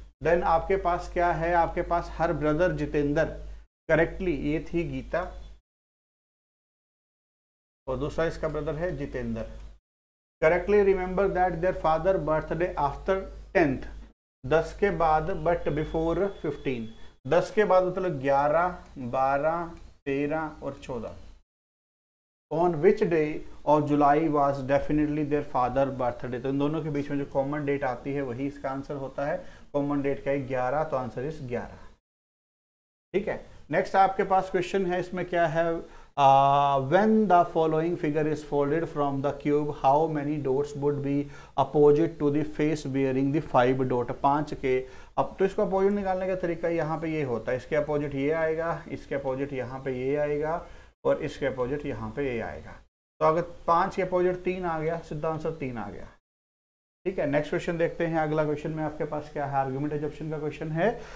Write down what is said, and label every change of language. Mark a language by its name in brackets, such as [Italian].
[Hindi] Then आपके पास क्या है, आपके पास हर ब्रदर जितेंद्र करेक्टली, ये थी गीता और दूसरा इसका ब्रदर है Jitendra, [English] correctly remember that their father birthday after 10th, [Hindi] 10 के बाद बट बिफोर 15। 10 के बाद मतलब 11, 12, 13 और 14। [English] on which day of July was definitely their father birthday, [Hindi] तो इन दोनों के बीच में जो कॉमन डेट आती है वही इसका आंसर होता है। कॉमन डेट क्या है? 11। तो आंसर इज 11, ठीक है। नेक्स्ट आपके पास क्वेश्चन है, इसमें क्या है, [English] when the following figure is folded from the cube, how many dots would be opposite to the face bearing the 5 dot? [Hindi] 5 के, अब तो इसको अपोजिट निकालने का तरीका यहाँ पे ये होता है, इसके अपोजिट ये आएगा, इसके अपोजिट यहाँ पे ये आएगा और इसके अपोजिट यहाँ पे ये आएगा। तो अगर 5 के अपोजिट 3 आ गया, सीधा आंसर 3 आ गया, ठीक है। नेक्स्ट क्वेश्चन देखते हैं, अगला क्वेश्चन में आपके पास क्या है, आर्ग्यूमेंट एजप्शन का क्वेश्चन है।